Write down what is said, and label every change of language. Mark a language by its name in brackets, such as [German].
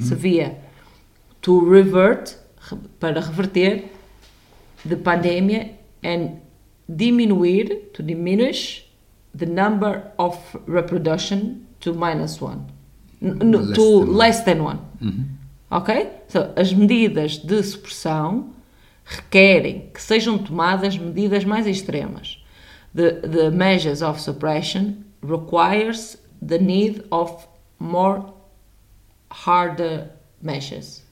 [English] severe to revert, [Portuguese] para reverter [English] the pandemia and diminish the number of reproduction to minus one, less than one. Mm-hmm. Ok? [Portuguese] So, as medidas de supressão requerem que sejam tomadas medidas mais extremas. [English] The measures of suppression requires the need of more harder measures.